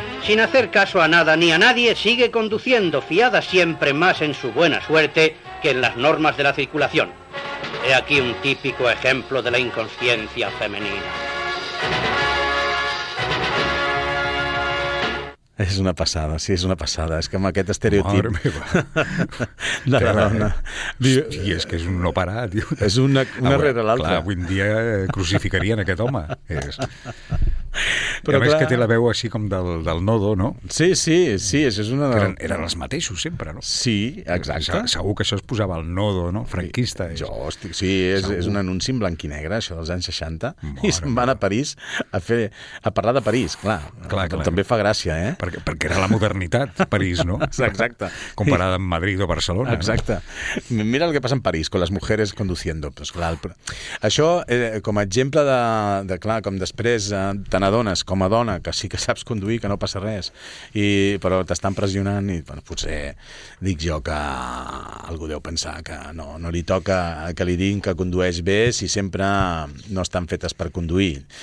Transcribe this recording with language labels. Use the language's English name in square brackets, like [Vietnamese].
[Spanish] sin hacer caso a nada ni a nadie, sigue conduciendo, fiada siempre más en su buena suerte que en las normas de la circulación. He aquí un típico ejemplo de la inconsciencia femenina. [Catalan] És una passada, sí, és una passada. És que amb aquest estereotip... Mare meva. De la dona. Hosti, és que és un no parar, tio. És una veure, rere l'altra. Clar, avui en dia crucificarien aquest home. És... Però a més clar... que té la veu així com del nodo, no? Sí, sí, sí, això és una... Eren els mateixos sempre, no? Sí, exacte. Segur que això es posava al nodo, no? Franquista. Sí, és un anunci en blanc i negre, això dels anys 60, mare, i se'n van a París a parlar de París, clar. Clar, clar. També fa gràcia, eh? Perquè era la modernitat, París, no? Exacte. Comparada amb Madrid o Barcelona. Exacte. No? Mira el que passa en París, [Spanish] con las mujeres conduciendo. [Catalan] Pues, clar, però... Això, com a exemple de clar, com després te n'adones com a dona, que sí que saps conduir, que no passa res, i, però t'estan pressionant i bueno, potser dic jo que algú deu pensar que no li toca que li diguin que condueix bé si sempre no estan fetes per conduir.